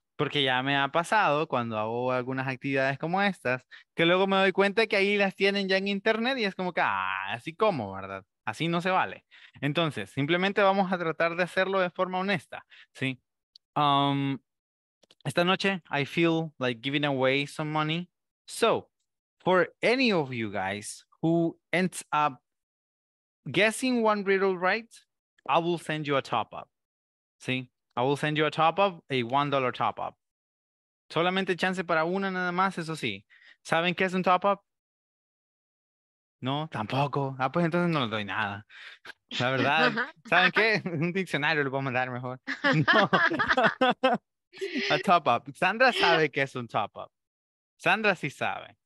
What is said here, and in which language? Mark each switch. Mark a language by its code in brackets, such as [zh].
[es] Porque ya me ha pasado cuando hago algunas actividades como estas, que luego me doy cuenta que ahí las tienen ya en internet y es como que, así como, ¿verdad? Así no se vale. Entonces, simplemente vamos a tratar de hacerlo de forma honesta, ¿sí? [en] Esta noche, I feel like giving away some money. So, for any of you guys who ends up guessing one riddle right, I will send you a top-up, ¿sí? I will send you a top-up, a $1 top-up. [es] Solamente chance para una nada más, eso sí. ¿Saben qué es un top-up? No, tampoco. Ah, pues entonces no le doy nada. La verdad, ¿saben qué? Un diccionario lo puedo mandar mejor. No. A top-up. Sandra sabe qué es un top-up. Sandra sí sabe.